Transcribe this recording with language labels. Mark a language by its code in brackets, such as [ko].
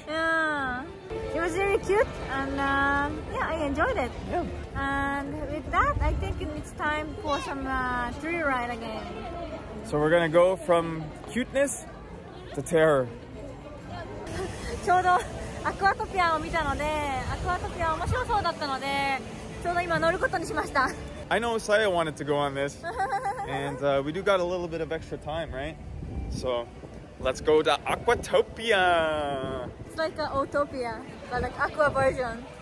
[en] Yeah. It was really cute and yeah, I enjoyed it. Yeah. And with that, I think it's time for some thrill ride again. So we're going to go from cuteness to terror. [ja] ちょうどアクアトピアを見たので、アクアトピア面白そうだったので、ちょうど今乗ることにしました。 [en] I know Saya wanted to go on this, and we do got a little bit of extra time, right? So, let's go to Aquatopia! It's like an Autopia, but like Aqua version.